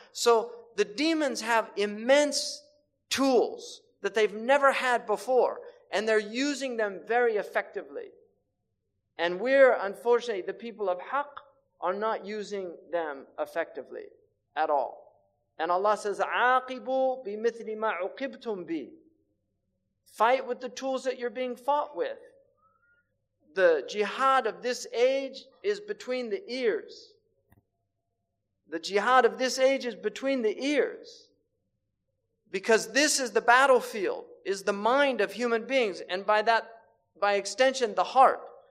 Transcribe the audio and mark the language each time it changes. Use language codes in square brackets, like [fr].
[en] So the demons have immense tools that they've never had before, and they're using them very effectively. And we're, unfortunately, the people of Haqq are not using them effectively at all. And Allah says, [ar] عَاقِبُوا بِمِثْلِ مَا عُقِبْتُمْ بِ. [en] Fight with the tools that you're being fought with. The jihad of this age is between the ears. The jihad of this age is between the ears. Because this is the battlefield, is the mind of human beings, and by that, by extension, the heart.